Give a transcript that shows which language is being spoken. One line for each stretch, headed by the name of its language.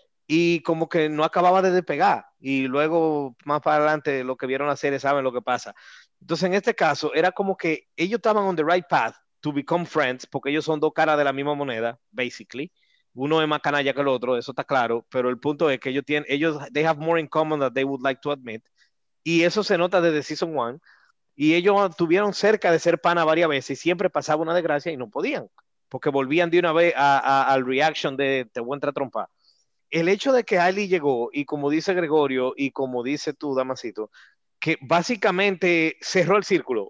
Spanish: Y como que no acababa de despegar. Y luego, más para adelante, los que vieron la serie saben lo que pasa. Entonces, en este caso, era como que ellos estaban on the right path to become friends, porque ellos son dos caras de la misma moneda, basically. Uno es más canalla que el otro, eso está claro.
English: Pero el punto es que they have more in common than they would like to admit.
Spanish: Y eso se nota desde Season 1. Y ellos tuvieron cerca de ser pana varias veces y siempre pasaba una desgracia y no podían, porque volvían de una vez al reaction de te voy a entrar a trompar. El hecho de que Ali llegó, y como dice Gregorio, y como dice tú, Damasito, que básicamente cerró el círculo.